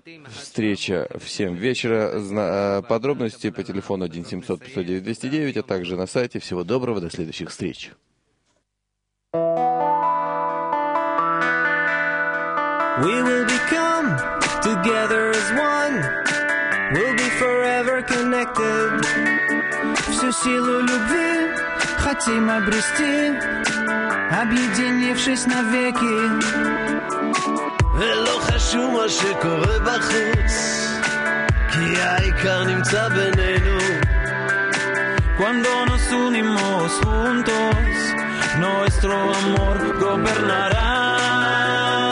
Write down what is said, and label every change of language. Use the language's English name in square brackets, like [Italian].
[Russian] Встреча в 7 вечера. Подробности по телефону 1-700-509-209, а также на сайте. Всего доброго, до следующих встреч. [English] We will become together as one. We'll be forever connected. [Russian] Всю силу любви хотим обрести, объединившись навеки. [Hebrew] ולא חשוב מה שקורה בחוץ, כי העיקר נמצא בינינו. [Spanish] Cuando nos unimos juntos, nuestro amor gobernará.